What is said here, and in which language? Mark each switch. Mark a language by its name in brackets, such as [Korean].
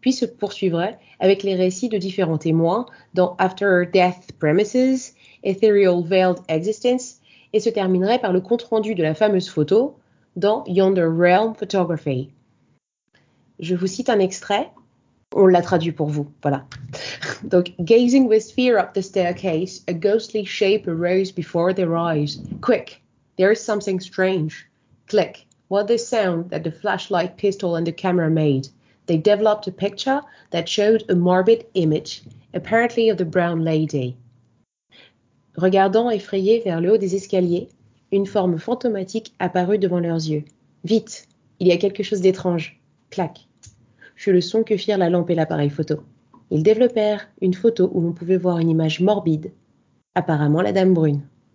[French] Puis se poursuivrait avec les récits de différents témoins dans After Death Premises, Ethereal Veiled Existence, et se terminerait par le compte-rendu de la fameuse photo dans Yonder Realm Photography. Je vous cite un extrait, on l'a traduit pour vous, voilà. [English] Donc, gazing with fear up the staircase, a ghostly shape arose before their eyes. Quick, there is something strange. Click, what the sound that the flashlight pistol and the camera made. They developed a picture that showed a morbid image, apparently of the brown lady. [French] Regardant effrayé vers le haut des escaliers, une forme fantomatique apparut devant leurs yeux. Vite, il y a quelque chose d'étrange. Clac. Fut le son que firent la lampe et l'appareil photo. Ils développèrent une photo où l'on pouvait voir une image morbide, apparemment la Dame Brune.